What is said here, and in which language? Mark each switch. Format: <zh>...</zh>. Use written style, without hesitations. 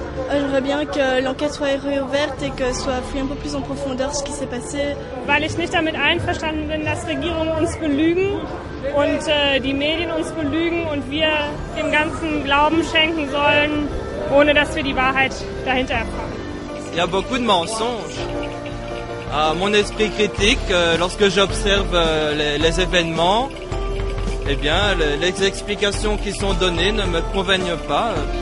<fr>J'aimerais bien que l'enquête soit réouverte et que soit fouillé un peu plus en profondeur ce qui s'est passé.</fr> <de>Weil ich nicht damit einverstanden bin, dass Regierungen uns belügen und die Medien uns belügen und wir dem ganzen Glauben schenken sollen, ohne dass wir die Wahrheit dahinter erfahren.</de> <fr>Il y a beaucoup de mensonges. Mon esprit critique, lorsque j'observe les événements, eh bien, les explications qui sont données ne me convainquent pas.</fr>